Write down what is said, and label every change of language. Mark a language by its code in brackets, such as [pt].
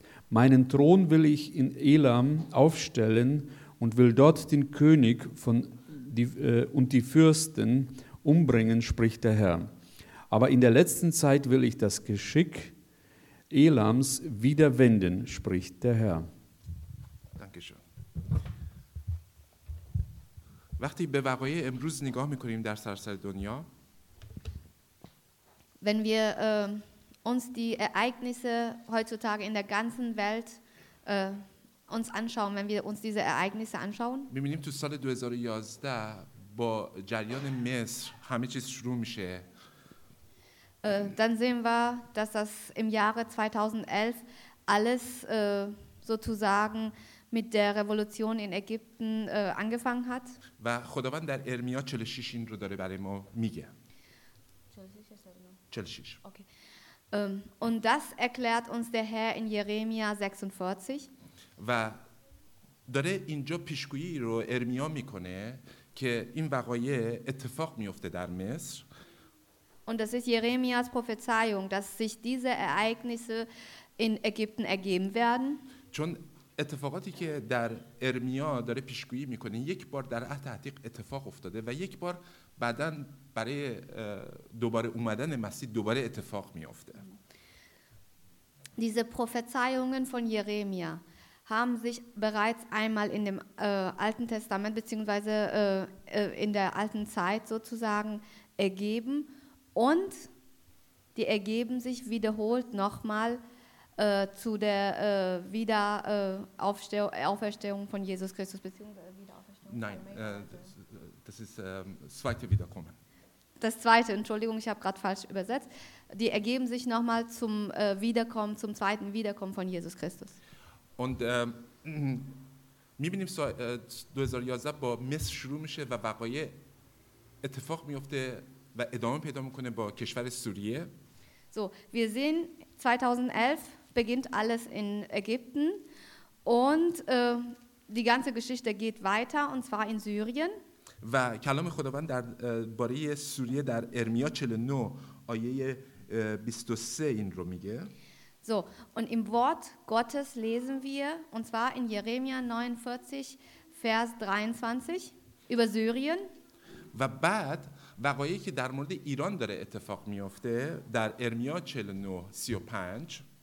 [de] Meinen Thron will ich in Elam aufstellen und will dort den König und die Fürsten umbringen, spricht der Herr. Aber in der letzten Zeit will ich das Geschick Elams wieder wenden, spricht der Herr. Dankeschön. [fa] وقتی به وقایع امروز نگاه میکنیم در سراسر دنیا، [de] wenn wir uns die Ereignisse heutzutage in der ganzen Welt uns anschauen, wenn wir uns diese Ereignisse anschauen, [fa] می‌بینیم تو سال 2011 با جریان مصر همه چیز شروع میشه. [de] Dann sehen wir, dass das im Jahre 2011 alles sozusagen mit der Revolution in Ägypten angefangen hat. [fa] و خداوند در ارمیا 46 این رو داره برای ما میگه. 46. Okay. [de] Und das erklärt uns der Herr in Jeremia 46. [fa] و داره اینجا پیشگویی رو ارمیا میکنه که این وقایع اتفاق میفته در مصر. [de] Und das ist Jeremias Prophezeiung, dass sich diese Ereignisse in Ägypten ergeben werden. [fa] چون اتفاقاتی که در ارمیا داره پیشگویی میکنه یک بار در عهد عتیق اتفاق افتاده و یک بار بعداً برای دوباره اومدن مسیح دوباره اتفاق میفته. [de] Diese Prophezeiungen von Jeremia haben sich bereits einmal in dem Alten Testament beziehungsweise in der alten Zeit sozusagen ergeben, und die ergeben sich wiederholt nochmal zu der Wiederauferstehung von Jesus Christus beziehungsweise Wiederauferstehung. Nein, das ist zweite Wiederkommen. Das zweite, Entschuldigung, ich habe gerade falsch übersetzt. Die ergeben sich nochmal zum Wiederkommen, zum zweiten Wiederkommen von Jesus Christus. Und [fa] می‌بینیم سال 2011 با مصر شروع میشه و وقایع اتفاق میفته و ادامه پیدا میکنه با کشور سوریه. [de] So, wir sehen 2011 beginnt alles in Ägypten und die ganze Geschichte geht weiter und zwar in Syrien. [fa] و کلام خداوند در باره سوریه در ارمیا 49 آیه 23 این رو میگه. [de] So, und im Wort Gottes lesen wir, und zwar in Jeremia 49, Vers 23, über Syrien. [fa] و بعد وقایعی که در مورد ایران داره اتفاق میفته در ارمیا 49:35.